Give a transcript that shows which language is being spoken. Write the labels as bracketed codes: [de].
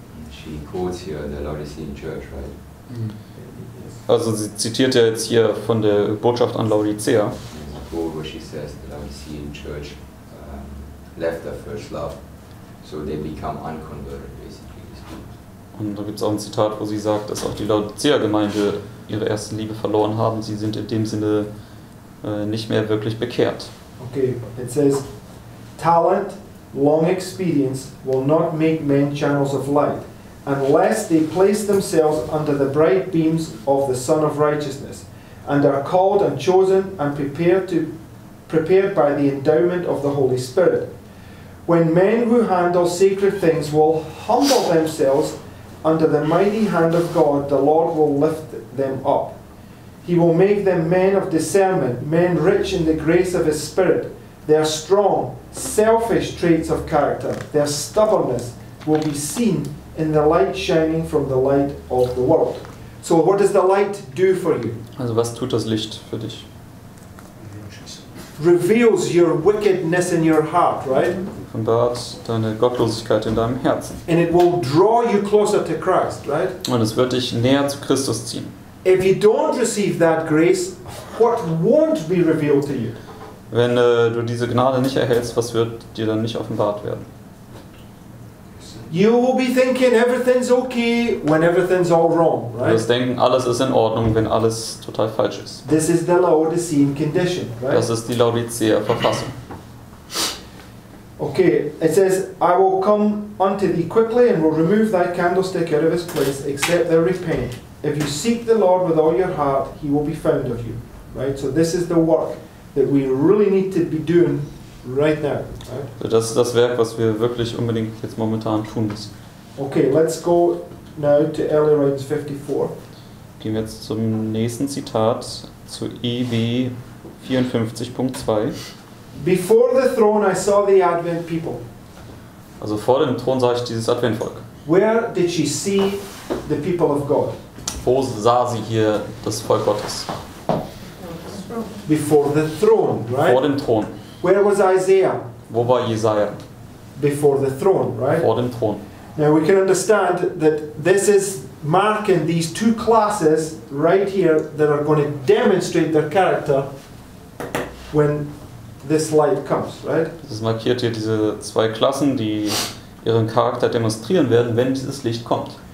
[en] She quotes here the Lord is in church, right? [de] Also sie zitiert ja jetzt hier von der Botschaft an Laodicea. [en] In the quote where she says the Lord is in church left their first love, so they become unconverted, basically. [de] Und da gibt es auch ein Zitat, wo sie sagt, dass auch die Laodicea-Gemeinde ihre erste Liebe verloren haben. Sie sind in dem Sinne nicht mehr wirklich bekehrt. [en] Okay, it says, talent, long experience will not make men channels of light, unless they place themselves under the bright beams of the Sun of Righteousness, and are called and chosen and prepared by the endowment of the Holy Spirit. When men who handle sacred things will humble themselves under the mighty hand of God, the Lord will lift them up. He will make them men of discernment, men rich in the grace of His Spirit. Their strong, selfish traits of character, their stubbornness, will be seen in the light shining from the light of the world. So what does the light do for you? [de] Also was tut das Licht für dich? [en] Reveals your wickedness in your heart, right? [de] Offenbart deine Gottlosigkeit in deinem Herzen. [en] And it will draw you closer to Christ, right? [de] Und es wird dich näher zu Christus ziehen. [en] If you don't receive that grace, what won't be revealed to you? [de] Wenn du diese Gnade nicht erhältst, was wird dir dann nicht offenbart werden? [en] You will be thinking everything's okay when everything's all wrong, right? [de] Du wirst denken, alles ist in Ordnung, wenn alles total falsch ist. [en] This is the Laodicean condition, right? [de] Das ist die Laodicea-Verfassung. [en] Okay, it says, I will come unto thee quickly and will remove thy candlestick out of his place, except thou repent. If you seek the Lord with all your heart, he will be found of you. Right? So this is the work that we really need to be doing right now. Right? [de] So das ist das Werk, was wir wirklich unbedingt jetzt momentan tun müssen. [en] Okay, let's go now to Early Writings 54. [de] Gehen wir jetzt zum nächsten Zitat, zu EB 54.2. [en] Before the throne I saw the Advent people. [de] Also vor dem Thron sah ich dieses Adventvolk. [en] Where did she see the people of God? [de] Wo sah sie hier das Volk Gottes? [en] Before the throne, right? [de] Vor dem Thron. [en] Where was Isaiah? [de] Wo war Jesaja? [en] Before the throne, right? [de] Vor dem Thron. [en] Now we can understand that this is marking these two classes right here that are going to demonstrate their character when this light comes, right? [de] Das ist markiert hier diese zwei Klassen, die ihren Charakter demonstrieren werden, wenn dieses Licht kommt.